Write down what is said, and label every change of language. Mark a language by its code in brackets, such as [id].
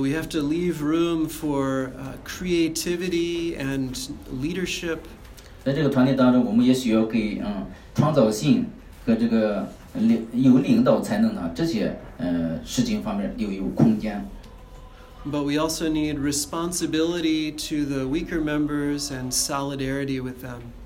[en] we have to leave room for creativity and leadership. [zh] 在这个团体当中，我们也需要给创造性和这个。有领导才能，这些事情方面留有空间。 [en] But we also need responsibility to the weaker members and solidarity with them.